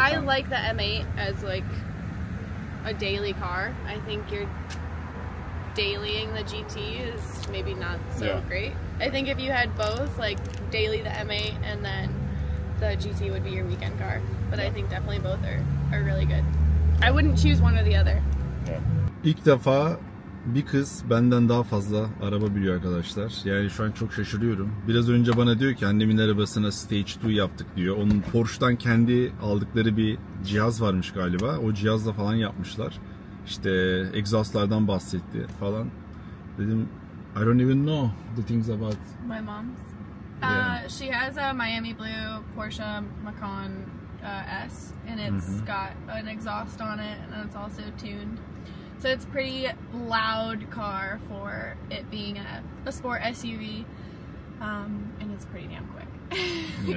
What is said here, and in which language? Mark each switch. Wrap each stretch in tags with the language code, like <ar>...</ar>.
<en>I like the M8 as like a daily car. I think you're dailying the GT is maybe not so great. I think if you had both, like daily the M8 and then the GT would be your weekend car. But I think definitely both are really good. I wouldn't choose one or the other. Yeah.</en> <tr>İlk defa bir kız benden daha fazla araba biliyor arkadaşlar. Yani şu an çok şaşırıyorum. Biraz önce bana diyor ki annemin arabasına stage 2 yaptık diyor. Onun Porsche'dan kendi aldıkları bir cihaz varmış galiba. O cihazla falan yapmışlar. İşte egzozlardan bahsetti falan.</tr> <en>Dedim I don't even know the things about my mom's. Yeah. She has a Miami blue Porsche Macan S and it's got an exhaust on it and it's also tuned. So it's a pretty loud car for it being a sport SUV, and it's pretty damn quick. Yeah.</en>